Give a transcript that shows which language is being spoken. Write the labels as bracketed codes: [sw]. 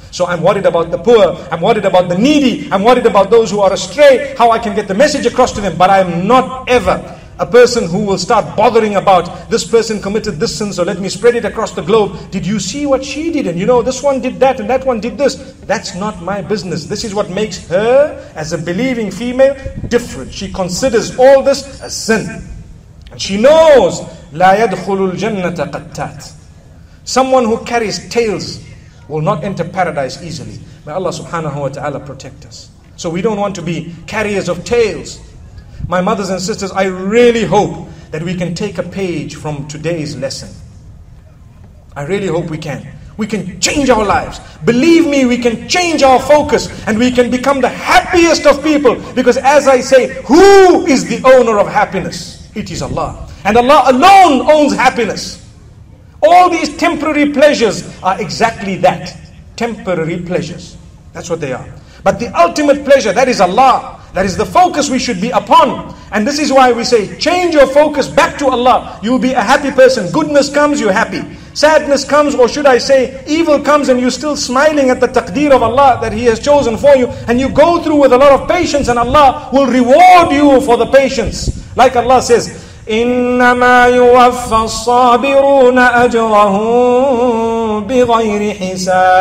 [en] So I'm worried about the poor, I'm worried about the needy, I'm worried about those who are astray, how I can get the message across to them. But I'm not ever a person who will start bothering about this person committed this sin, so let me spread it across the globe. Did you see what she did? And you know, this one did that and that one did this. That's not my business. This is what makes her, as a believing female, different. She considers all this a sin. And she knows, [ar] لا يدخل الجنة قتات. [en] Someone who carries tails will not enter paradise easily. May Allah subhanahu wa ta'ala protect us. So we don't want to be carriers of tails. My mothers and sisters, I really hope that we can take a page from today's lesson. I really hope we can. We can change our lives. Believe me, we can change our focus and we can become the happiest of people. Because as I say, who is the owner of happiness? It is Allah. And Allah alone owns happiness. All these temporary pleasures are exactly that. Temporary pleasures. That's what they are. But the ultimate pleasure, that is Allah. That is the focus we should be upon. And this is why we say, change your focus back to Allah. You'll be a happy person. Goodness comes, you're happy. Sadness comes, or should I say, evil comes, and you're still smiling at the taqdeer of Allah that He has chosen for you. And you go through with a lot of patience, and Allah will reward you for the patience. Like Allah says, [ar] إِنَّمَا يُوَفَّى الصَّابِرُونَ أَجْرَهُمْ بِغَيْرِ حِسَابٍ.